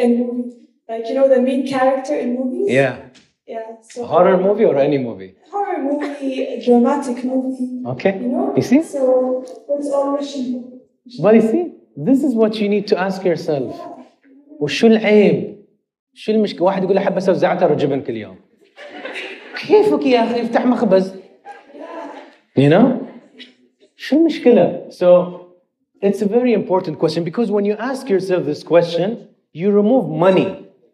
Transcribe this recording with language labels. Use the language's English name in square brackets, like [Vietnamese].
[English] In movie, like you know, the main character in movies. Yeah. Yeah. So horror movie or any movie? Horror movie, dramatic movie. Okay. You know? You see? So it's all Russian. But you see, this is what you need to ask yourself. [Arabic] وشو العيب؟ شو المشكلة؟ واحد يقول أحب أسوي زعتر وجبن كل يوم. كيفك يا أخي افتح مخبز. [English] You know? [Arabic] شو المشكلة؟ [English] So it's a very important question because when you ask yourself this question, you remove money.